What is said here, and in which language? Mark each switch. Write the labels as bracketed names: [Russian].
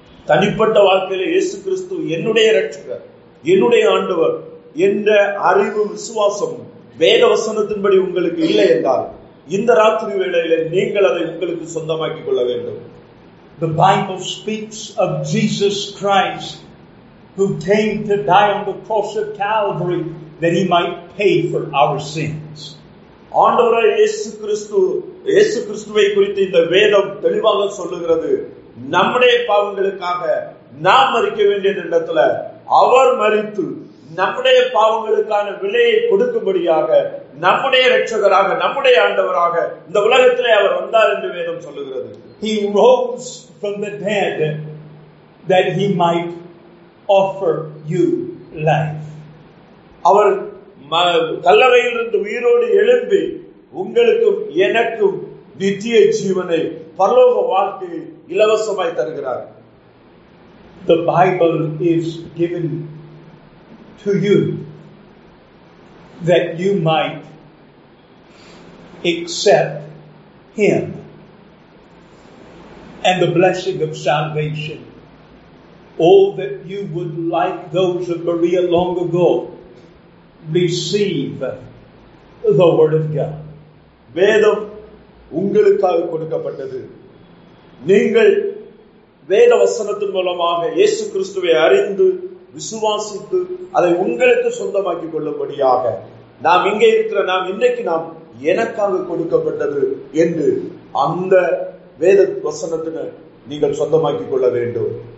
[Tamil] தனிப்பட்ட வாழ்க்கையில் இயேசு கிறிஸ்து என்னுடைய இரட்சகர், என்னுடைய ஆண்டவர் என்ற அறிவு விசுவாசம் வேத வசனத்தின்படி உங்களுக்கு இல்லை என்றால் இந்த ராத்திரி வேளையில் நீங்கள் அதை உங்களுக்கு சொந்தமாக்கிக் கொள்ள வேண்டும். [English] The Bible speaks of Jesus Christ who came to die on the cross of Calvary that he might pay for our sins. [Tamil] ஆண்டவராகிய இயேசு கிறிஸ்துவை குறித்து இந்த வேதம் தெளிவாக சொல்லுகிறது. நம்முடைய பாவங்களுக்காக நாம் மரிக்க வேண்டிய இடத்துல அவர் மரித்து நம்முடைய பாவங்களுக்கான விலையை கொடுக்கும்படியாக நம்முடைய இரட்சகராக நம்முடைய ஆண்டவராக இந்த உலகத்திலே அவர் வந்தார் என்று வேதம் சொல்லுகிறது. [English] He rose from the dead that he might offer you life. [Tamil] அவர் கல்லறையிலிருந்து உயிரோடு எழும்பி உங்களுக்கும் எனக்கும் நித்திய ஜீவனை பரலோக வாழ்க்கையை இலவசமாய் தருகிறார். [English] The Bible is given to you that you might accept him and the blessing of salvation. Oh, that you would like those of Berea long ago receive the Word of God. [Tamil] வேதம் உங்களுக்காக கொடுக்கப்பட்டது. நீங்கள் வேத வசனத்தின் மூலமாக இயேசு கிறிஸ்துவை அறிந்து விசுவாசித்து அதை உங்களுக்கு சொந்தமாக்கி கொள்ளும்படியாக நாம் இங்கே இருக்கிற நாம் இன்றைக்கு நாம் எனக்காக கொடுக்கப்பட்டது என்று அந்த வேத வசனத்தின நீங்கள் சொந்தமாக்கி கொள்ள வேண்டும்.